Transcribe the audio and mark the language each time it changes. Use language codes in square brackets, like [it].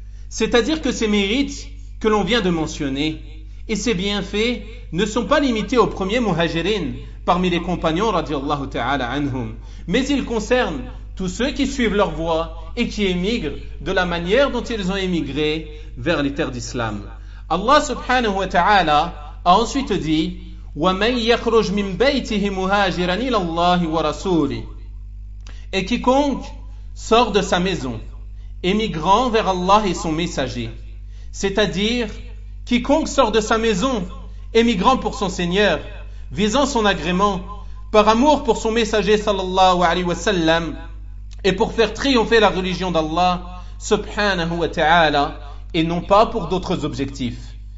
[fr] C'est-à-dire que ces mérites que l'on vient de mentionner et ces bienfaits ne sont pas limités aux premiers muhajirin parmi les compagnons radiallahu ta'ala anhum, mais ils concernent tous ceux qui suivent leur voie et qui émigrent de la manière dont ils ont émigré vers les terres d'islam. Allah subhanahu wa ta'ala a ensuite dit: [ar] وَمَنْ يَخْرُجْ مِنْ بَيْتِهِ مُهَاجِرًا إِلَى اللَّهِ وَرَسُولِهِ. [fr] Et quiconque sort de sa maison, émigrant vers Allah et son messager, c'est-à-dire quiconque sort de sa maison, émigrant pour son Seigneur, visant son agrément, par amour pour son messager sallallahu alayhi wa sallam, et pour faire triompher la religion d'Allah subhanahu wa ta'ala, et non pas pour d'autres objectifs.